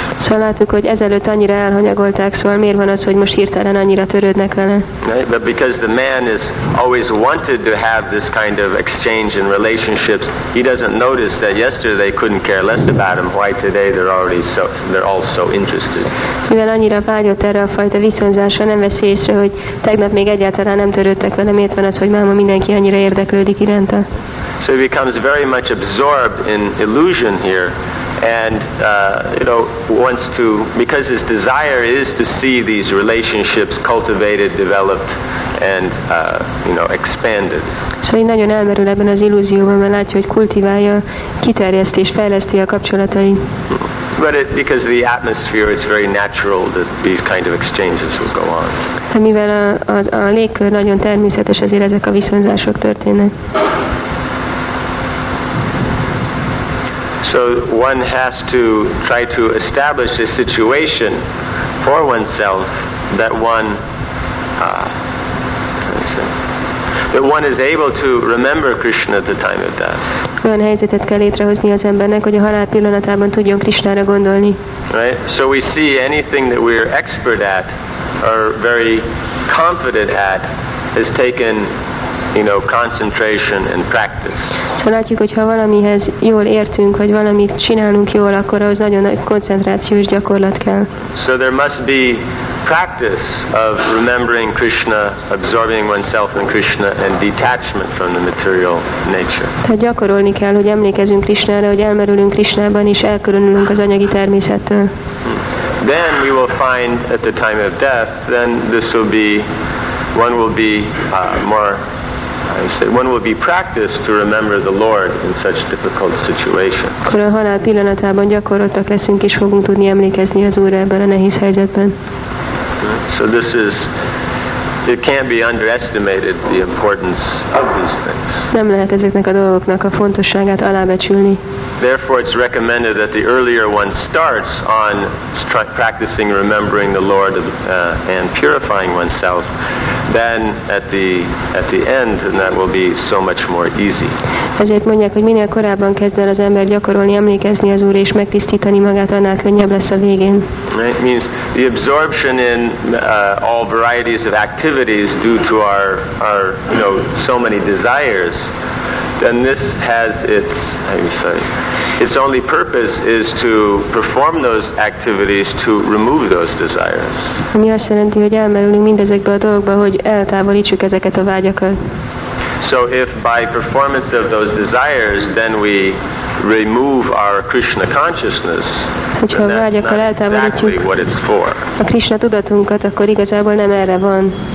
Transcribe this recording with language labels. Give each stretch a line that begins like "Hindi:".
Hungarian: So láttuk, hogy ezelőtt annyira elhanyagolták, szóval miért van az, hogy most hirtelen annyira törődnek vele?
English: Right? But because the man is always wanted to have this kind of exchange in relationships, he doesn't notice that yesterday they couldn't care less about him, why today they're already so, they're all so interested.
Hungarian: Mivel annyira vágyott erre a fajta viszonzásra, nem veszi észre, hogy tegnap még egyáltalán nem törődtek vele, miért van az, hogy máma mindenki annyira érdeklődik iránt.
English: So he becomes very much absorbed in illusion here, and you know, wants to, because his desire is to see these relationships cultivated, developed, and you know, expanded. So he
Hungarian: nagyon elmerül ebben az illúzióban, mert látja, hogy kultiválja, kiterjeszti és fejleszti a kapcsolatait.
English: But it, because the atmosphere is very natural, that these kind of exchanges will go on.
Hungarian: De mivel a légkör nagyon természetes, ezért ezek a viszonzások történnek.
English: So one has to try to establish a situation for oneself that one is able to remember Krishna at the time of death.
Hungarian: Olyan helyzetet kell létrehozni az embernek, hogy a halál pillanatában tudjon Krishnára gondolni.
English: Right? So we see anything that we're expert at or very confident at has taken, you know, concentration and practice.
Hungarian: Ha látjuk, hogy ha valamihez jól értünk, vagy valamit csinálunk jól, akkor ahhoz nagyon nagy koncentráció és gyakorlat kell.
English: So there must be practice of remembering Krishna, absorbing oneself in Krishna, and detachment from the material nature.
Hungarian: Tehát gyakorolni kell, hogy emlékezünk Krishnára, hogy elmerülünk Krishnában, és elkülönülünk az anyagi természettől.
English: Then we will find at the time of death, then this will be, one will be more, I said, one will be practiced to remember the Lord in such difficult situations.
Hungarian: Akkor a halál pillanatában gyakoroltak leszünk, és fogunk tudni emlékezni az Úrra ebben a nehéz helyzetben.
English: So this is, it can't be underestimated, the importance of these things.
Hungarian: Nem lehet ezeknek a dolgoknak a fontosságát alábecsülni.
English: Therefore it's recommended that the earlier one starts on practicing remembering the Lord and purifying oneself, then at the end, and that will be so much more easy.
Hungarian: Ezért mondják, hogy minél korábban kezd el az ember gyakorolni, emlékezni az Úrra és megtisztítani magát, annál könnyebb lesz a végén.
English: Right? It means the absorption in all varieties of activities due to our you know, so many desires, then this has its, how do you say, its only purpose is to perform those activities to remove those desires.
Hungarian: Ami azt jelenti, hogy elmerülünk mindezekbe a dolgokba, hogy eltávolítsuk ezeket a vágyakat.
English: So if by performance of those desires, then we remove our Krishna consciousness,
Hungarian: hogyha a vágyakkal eltávolítjuk a Krishna tudatunkat, akkor igazából nem erre van.